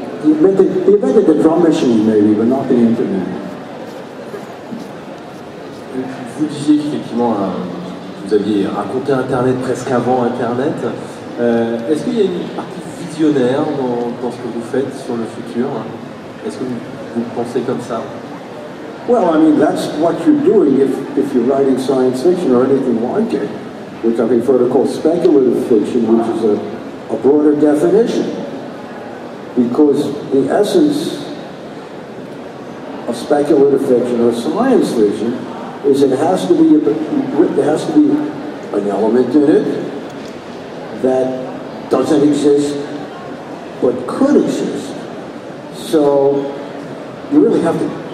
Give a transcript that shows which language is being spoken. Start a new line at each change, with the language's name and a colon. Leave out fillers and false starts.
English: He invented the drum machine, maybe, but not the internet.
French: Vous disiez qu'effectivement, vous aviez raconté Internet presque avant Internet. Est-ce qu'il y a une partie visionnaire dans ce que vous faites sur le futur? Est-ce que vous pensez comme ça?
English: Well, I mean, that's what you're doing if you're writing science fiction or anything like it, which I prefer to call speculative fiction, which is a broader definition. Because the essence of speculative fiction or science fiction is it has to be an element in it that doesn't exist but could exist. So You really have to.